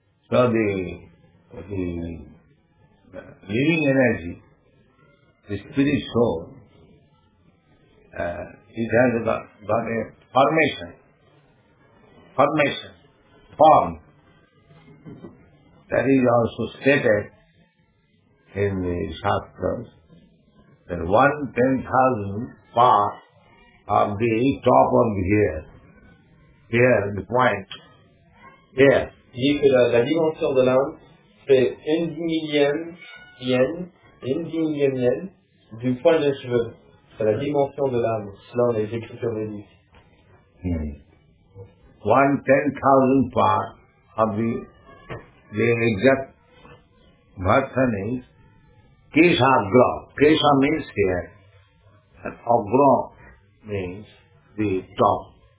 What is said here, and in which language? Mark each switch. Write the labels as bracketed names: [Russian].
[English] So the living energy, the spirit soul, it has got a formation. Formation. Form. That is also stated in the shastras that 1/10,000 part of the top of the hair. Here, the point. Here. [French] Il dit que la dimension de l'âme fait 1/10,000 du poil des cheveux. C'est la dimension de l'âme, selon les écritures védiques. Mm. [English] 1/10,000 part of the exact version is Kesha Agra. Kesha means here, and Agra means the top.